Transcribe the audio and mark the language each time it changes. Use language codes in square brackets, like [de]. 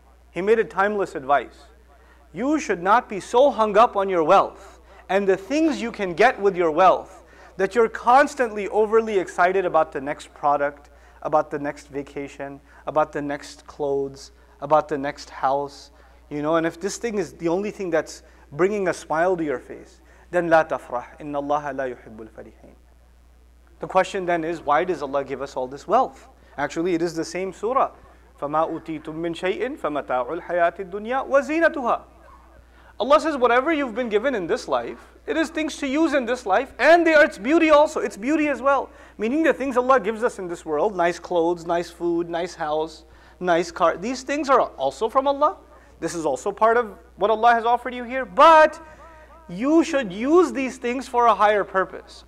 [en] He made it timeless advice. You should not be so hung up on your wealth and the things you can get with your wealth that you're constantly overly excited about the next product, about the next vacation, about the next clothes, about the next house, you know. And if this thing is the only thing that's bringing a smile to your face, then [ar] لا تفرح إن الله لا يحب الفريحين. [en] The question then is, why does Allah give us all this wealth? Actually, it is the same surah. [ar] فما أوتيتم من شيء فمتاع الحياة الدنيا وزينتها. [en] Allah says, whatever you've been given in this life, it is things to use in this life, and they are its beauty also, its beauty as well. Meaning the things Allah gives us in this world, nice clothes, nice food, nice house, nice car, these things are also from Allah. This is also part of what Allah has offered you here, but you should use these things for a higher purpose.